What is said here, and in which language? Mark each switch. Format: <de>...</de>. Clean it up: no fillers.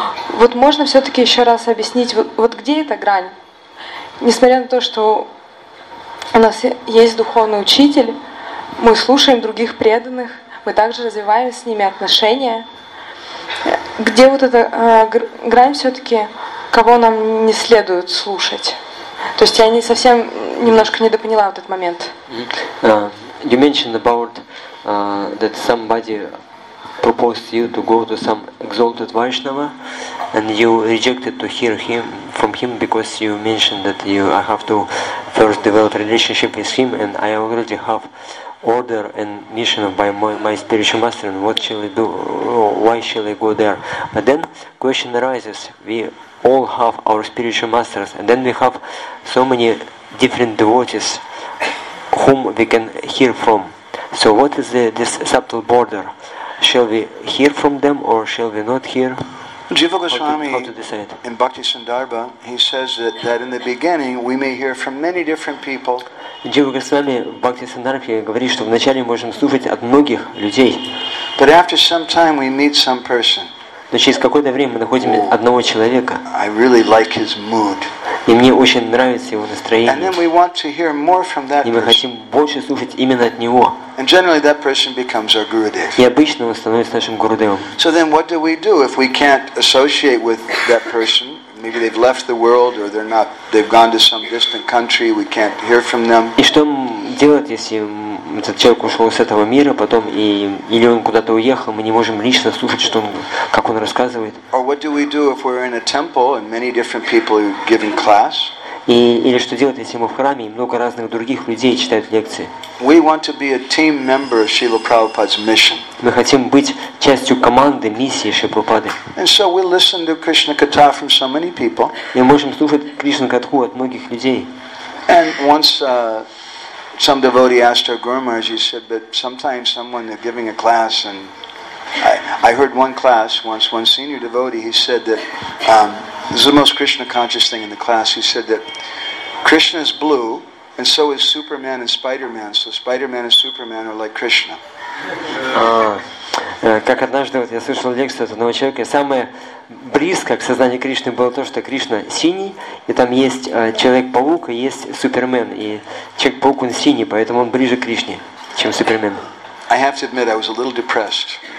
<ru>Вот можно все-таки еще раз объяснить, вот где эта грань? Несмотря на то, что у нас есть духовный учитель, мы слушаем других преданных, мы также развиваем с ними отношения. Где вот эта грань все-таки, кого нам не следует слушать? То есть я не совсем немножко недопоняла в этот момент.</ru> <en>You mentioned about that somebody proposed you to go to some exalted Vaishnava, and you rejected to hear him from him because you mentioned that you I have to first develop relationship with him, and I already have order and mission by my spiritual master. And what shall I do? Why shall I go there? But then question arises. We all have our spiritual masters, and then we have so many different devotees whom we can hear from. So what is this subtle border? Shall we hear from them or shall we not hear? Jiva Goswami, in Bhaktisandarbha, he says that in the beginning we may hear from many different people.</en> <ru>Jiva Goswami в Бхактисиддхарте говорит, что вначале мы можем слушать от многих людей.</ru> <en>But after some time we meet some person.</en> <ru>Но через какое-то время мы находим одного человека.</ru> <en>I really like his mood.</en> <ru>И мне очень нравится его настроение.</ru> <en>And then we want to hear more from that person.</en> <ru>И мы хотим больше слушать именно от него.</ru> <en>And generally that person becomes our Gurudev.</en> <ru>И обычно он становится нашим Гурудевом.</ru> <en>So then what do we do if we can't associate with that person? Maybe they've left the world or they've gone to some distant country, we can't hear from them.</en> <ru>И что делать, если этот человек ушел с этого мира, потом или он куда-то уехал, мы не можем лично слушать, как он рассказывает.</ru> <en>Or what do we do if we're in a temple and many different people are giving class?</en> <ru>Или что делать, если мы в храме и много разных других людей читают лекции?</ru> <en>We want to be a team member of Srila Prabhupada's mission.</en> <ru>Мы хотим быть частью команды миссии Шри Прабхупады.</ru> <en>And so we listen to Krishna Katha from so many people.</en> <ru>И можем слушать Кришна Катху от многих людей.</ru> <en>And once some devotee asked our Guru Maharaj, he said, but sometimes someone is giving a class, and I heard one class once, one senior devotee, he said that this is the most Krishna conscious thing in the class. He said that Krishna is blue, and so is Superman and Spider-Man. So Spider-Man and Superman are like Krishna.</en> <ru>Как однажды я слышал лекцию от одного человека, самое близкое к сознанию Кришны было то, что Кришна синий, и там есть Человек-паук и есть Супермен. И Человек-паук, он синий, поэтому он ближе к Кришне, чем Супермен.</ru> <en>I have to admit, I was a little depressed.</en>